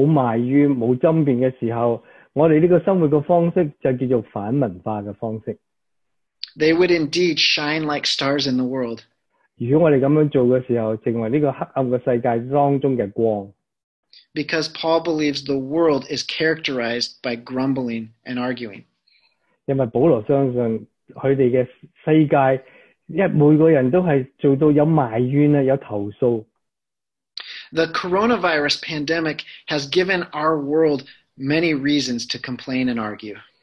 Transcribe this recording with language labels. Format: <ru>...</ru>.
<zh>因为如果人做到没有埋怨、没有争辩的时候， 我们这个生活的方式就叫做反文化的方式。</zh> <en>They would indeed shine like stars in the world.</en> <zh>如果我们这样做的时候， 成为这个黑暗的世界当中的光。</zh> <en>Because Paul believes the world is characterized by grumbling and arguing.</en> <zh>因为保罗相信他们的世界， 每个人都是做到有埋怨、有投诉。</zh> <en>The coronavirus pandemic has given our world many reasons to complain and argue.</en>